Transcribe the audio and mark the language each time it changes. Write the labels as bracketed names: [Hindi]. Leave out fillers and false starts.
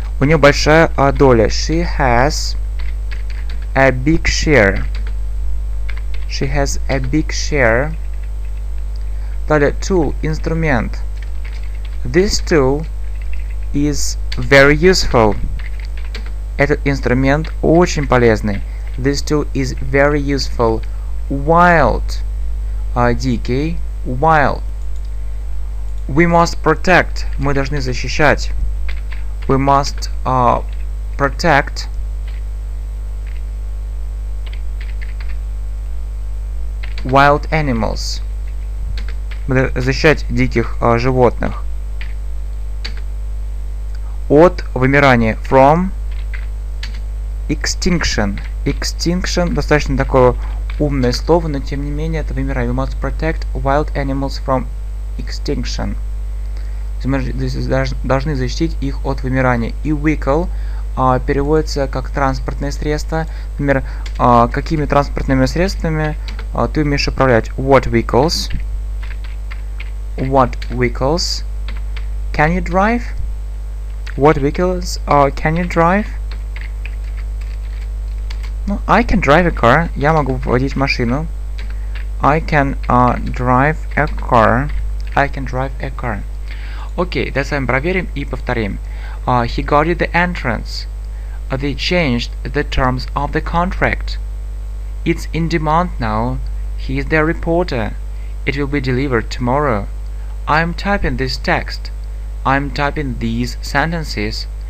[Russian] У нее большая доля. [English] She has a big share. She has a big share. Далее. Tool. Инструмент. This tool is very useful. [Russian] Этот инструмент очень полезный. [English] This tool is very useful. Wild. Дикий. Wild. We must protect. [Russian] Мы должны защищать. [English] We must protect. Wild animals. [Russian] Мы должны защищать диких животных. От вымирания. [English] From extinction. [Russian] Extinction — достаточно такое умное слово, но тем не менее это вымирание. [English] We must protect wild animals from extinction. [Russian] Мы должны защитить их от вымирания. И vehicle переводится как транспортное средство. Например, какими транспортными средствами ты умеешь управлять? [English] What vehicles? What vehicles can you drive? What vehicles can you drive? Ну, I can drive a car. [Russian] Я могу водить машину. [English] I can drive a car. I can drive a car. [Russian] Окей, давай с вами проверим и повторим. [English] He guarded the entrance. They changed the terms of the contract. It's in demand now. He is their reporter. It will be delivered tomorrow. I'm typing this text. I'm typing these sentences.